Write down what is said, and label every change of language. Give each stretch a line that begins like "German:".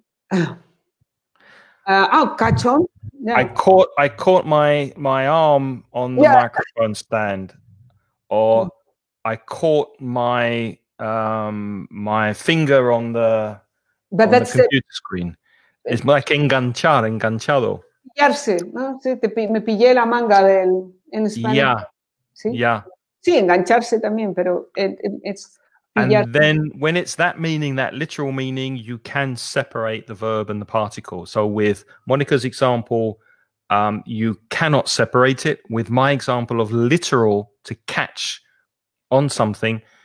English: Catch on. Yeah. I caught my arm on the microphone stand, or I caught my finger on the computer screen. It's like enganchado.
Spanish: Pillarse, ¿no? Sí, me pillé la manga del en español.
English: Yeah.
Spanish: ¿Sí?
English: Yeah.
Spanish: Sí, engancharse también, pero
English: it's pillarse. And then when it's that meaning, that literal meaning, you can separate the verb and the particle. So with Monica's example, you cannot separate it. With my example of literal, to catch on something,